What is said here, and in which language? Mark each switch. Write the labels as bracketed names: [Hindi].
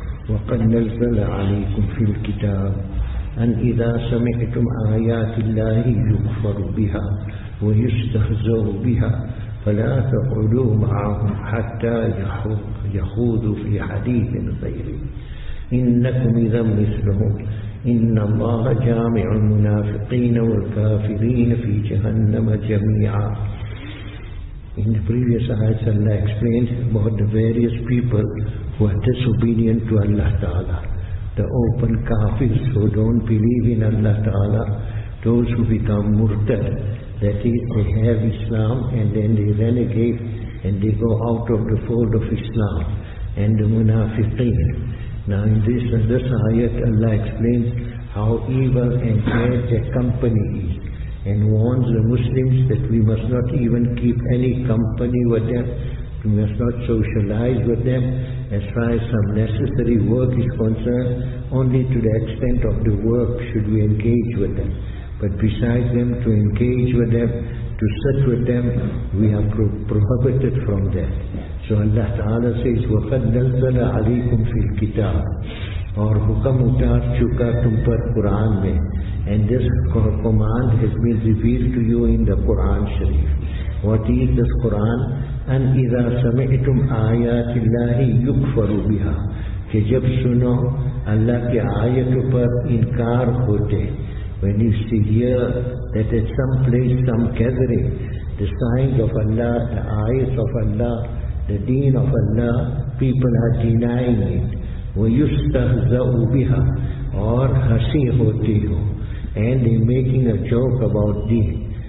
[Arabic] وقد نزل عليكم في الكتاب أن إذا سمعتم آيات الله يكفر بها ويستهزأ بها فلا تقعدوا معهم حتى يخوضوا في حديث غيره إنكم إذا مثلهم إن الله جامع المنافقين والكافرين في جهنم جميعا. [English] In the previous ayat, Allah explained about the various people who are disobedient to Allah Ta'ala. The open kafirs who don't believe in Allah Ta'ala, those who become murtad, that is, they have Islam and then they renegade and they go out of the fold of Islam, and the munafiqeen. Now in this ayat, Allah explains how evil and bad their company is, and warns the Muslims that we must not even keep any company with them, we must not socialize with them, as far as some necessary work is concerned, only to the extent of the work should we engage with them. But besides them, to engage with them, to sit with them, we are prohibited from that. So Allah Ta'ala says, [Arabic] وَقَدْ نَزَّلَ عَلَيْكُمْ فِي الْكِتَابِ, [Urdu] اور حکم اتار چکا تم پر قرآن میں. [English] And this command has been revealed to you in the Quran Sharif. What is this Quran? [Urdu] And [Arabic] إِذَا سَمِعْتُمْ آيَاتِ اللَّهِ يُكْفَرُ بِهَا, [Urdu] کہ جب سنو اللہ کے آیتوں پر انکار ہوتے. [English] When you see here that at some place, some gathering, the signs of Allah, the ayahs of Allah, the deen of Allah, people are denying it. [Arabic] وَيُسْتَهْزَأُ بِهَا, [English] or [Urdu] hasi hoti ho, [English] and they're making a joke about deen.